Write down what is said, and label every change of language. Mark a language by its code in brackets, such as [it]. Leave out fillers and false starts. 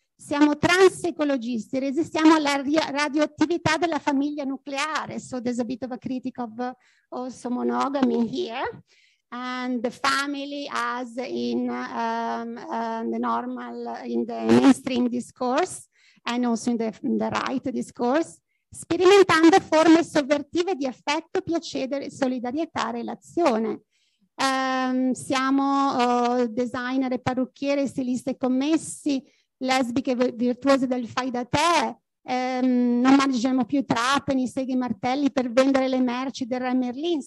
[it] Siamo transecologisti, resistiamo alla radioattività della famiglia nucleare. [en] So there's a bit of a critique of also monogamy here. And the family as in the normal, in the mainstream discourse and also in the right discourse. [it] Sperimentando forme sovvertive di affetto, piacere, solidarietà, relazione. Siamo designer e parrucchiere, stiliste e commessi, lesbiche virtuose del fai da te, non mangiamo più trapani, seghe e martelli per vendere le merci del Re Merlin.